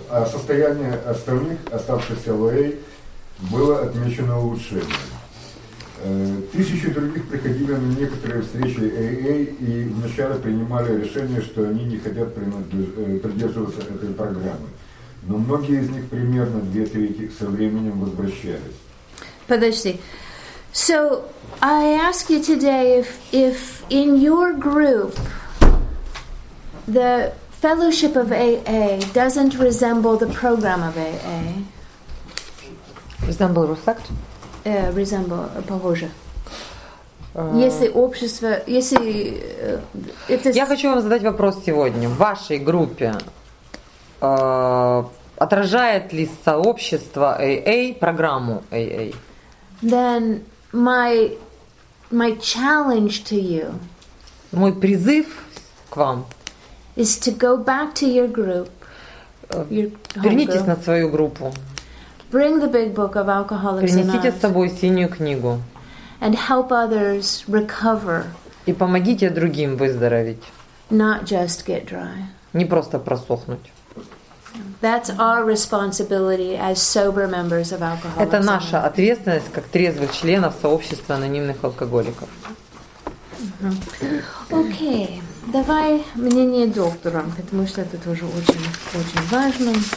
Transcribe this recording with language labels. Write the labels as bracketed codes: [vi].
[ru] состояние остальных оставшихся ЛАЭ было отмечено улучшение. Тысячи других приходили на некоторые встречи ЭЭ и вначале принимали решение, что они не хотят придерживаться этой программы. Но многие из них примерно две трети со временем возвращались. Подожди. [en] So, I ask you today if in your group the Fellowship of AA doesn't resemble the program of AA. Resemble, reflect? [ru] Resemble, похоже. Если общество, если... Я хочу вам задать вопрос сегодня. В вашей группе отражает ли сообщество AA программу AA? [en] Then my challenge to you. [ru] Мой призыв к вам. [en] Is to go back to your group. [ru] Вернитесь на свою группу. [en] Bring the big book of Alcoholics Anonymous. [ru] Принесите с собой синюю книгу. [en] And help others recover. [ru] И помогите другим выздороветь. [en] Not just get dry. [ru] Не просто просохнуть. [en] That's our responsibility as sober members of Alcoholics Anonymous. [ru] Это наша ответственность как трезвых членов сообщества анонимных алкоголиков. [en] Okay. [ru] Давай мнение доктора, потому что это тоже очень, очень важно.